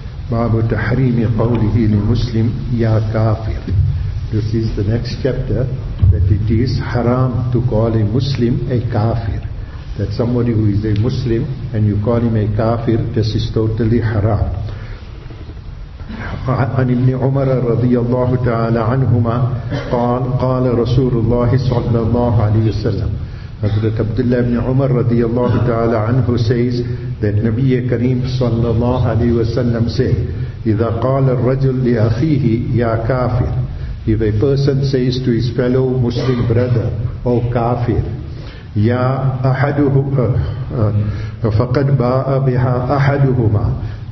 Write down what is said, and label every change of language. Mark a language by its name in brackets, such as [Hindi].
[Arabic] باب تحريم قوله لمسلم يا كافر. [English] This is the next chapter, that it is haram to call a Muslim a kafir. That somebody who is a Muslim and you call him a kafir, this is totally haram. [Arabic] عن ابن عمر رضي الله تعالى عنهما قال قال رسول الله صلى الله عليه وسلم. [English] Hazrat Abdullah ibn Umar radiyallahu ta'ala anhu says that Nabi Kareem sallallahu alayhi wa sallam said, [Arabic] إِذَا قَالَ الرَّجُلْ لِأَخِيهِ يَا كَافِرْ. [English] If a person says to his fellow Muslim brother, O kafir, [Arabic] يَا أَحَدُهُمَا فَقَدْ بَاءَ بِهَا أَحَدُهُمَا.